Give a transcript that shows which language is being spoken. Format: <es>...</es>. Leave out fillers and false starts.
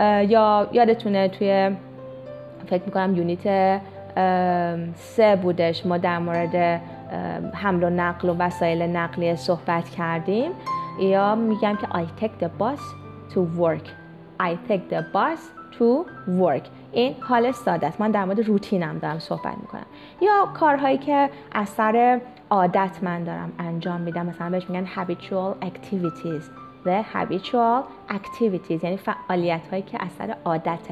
<fa>یا یادتونه توی فکر میکنم یونیت 3 بودش ما در مورد حمل و نقل و وسایل نقلیه صحبت کردیم. یا میگم که</fa> <en>I take the bus to work. I take the bus to work.</en> <fa>این حال ساده است. من در مورد روتینم دارم صحبت میکنم. یا کارهایی که اثر عادت من دارم انجام میدم، مثلا بهش میگن habitual activities. The habitual activities یعنی فعالیت هایی که اثر عادت.</fa>